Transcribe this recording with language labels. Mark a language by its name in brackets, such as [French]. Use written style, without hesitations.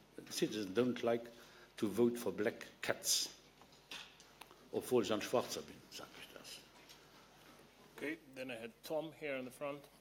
[English] Citizens don't like to vote for black cats. [German] Obwohl ich ein Schwarzer bin, sage ich das. [English] Okay, then I had Tom here in the front.